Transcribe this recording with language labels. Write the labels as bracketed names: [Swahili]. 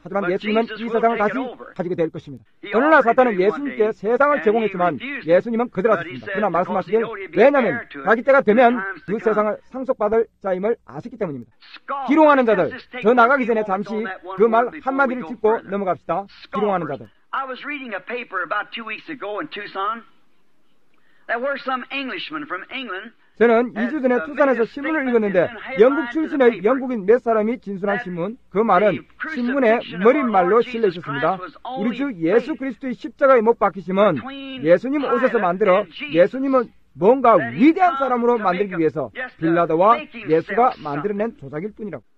[Korean] 하지만 예수님은 이 세상을 다시 가지게 될 것입니다. 어느 날 사탄은 예수님께 세상을 제공했지만 예수님은 그들하셨습니다. 그러나 말씀하시길 왜냐하면 자기 때가 되면 그 세상을 상속받을 자임을 아셨기 때문입니다. 기롱하는 자들, 저 나가기 전에 잠시 그 말 한마디를 짚고 넘어갑시다. 기롱하는 자들. [English] I was reading a paper about 2 weeks ago in Tucson. There were some Englishmen from England. [Korean] 저는 2주 전에 투산에서 신문을 읽었는데 영국 출신의 영국인 몇 사람이 진술한 신문 그 말은 신문에 머릿말로 실려 있었습니다. 우리 주 예수 그리스도의 십자가에 못 박히심은 예수님 오셔서 만들어 예수님은 뭔가 위대한 사람으로 만들기 위해서 빌라도와 예수가 만들어낸 조작일 뿐이라고.